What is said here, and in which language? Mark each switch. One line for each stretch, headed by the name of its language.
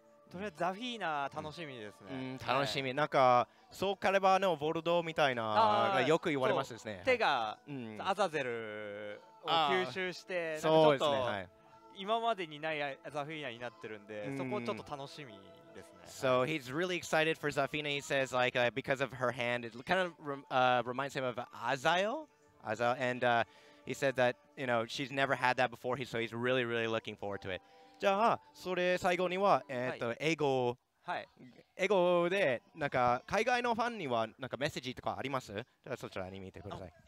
Japanese: とりあえずザフィーナ楽しみですね。楽しみ。なんかそうカレバーのボルドみたいな、よく言われますですね。手がアザゼルを吸収して、ちょっと今までにないザフィーナになってるんで、そこちょっと楽しみですね。
English: So he's really excited for Zafina. He says like because of her hand, it kind of reminds him of Azale. And he said that you know, she's never had that before, so he's really, really looking forward to it.
Japanese: じゃあ、それ最後には、英語、英語で、なんか海外のファンには、なんかメッセージとかあります？じゃあそちらに見てください。